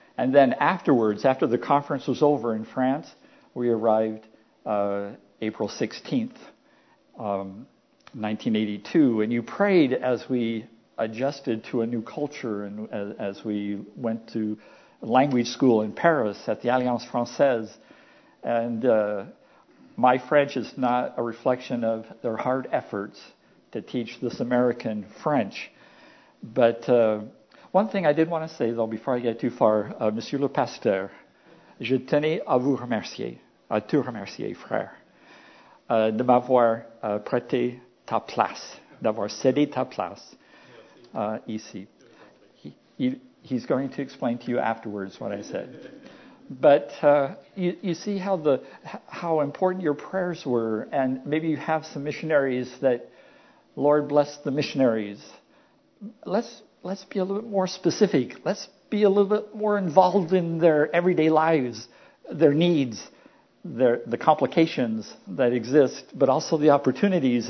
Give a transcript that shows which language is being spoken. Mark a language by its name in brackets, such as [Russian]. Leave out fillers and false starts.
[English] And then afterwards, after the conference was over in France, we arrived April 16th, 1982. And you prayed as we adjusted to a new culture and as we went to language school in Paris at the Alliance Française. And my French is not a reflection of their hard efforts to teach this American French. But one thing I did want to say, though, before I get too far, [French] Monsieur le Pasteur, je tenais à vous remercier, à te remercier, frère, de m'avoir prêté ta place, d'avoir cédé ta place ici. [English] He's going to explain to you afterwards what I said. But you see how important your prayers were, and maybe you have some missionaries that, Lord, bless the missionaries. Let's be a little bit more specific. Let's be a little bit more involved in their everyday lives, their needs, the complications that exist, but also the opportunities.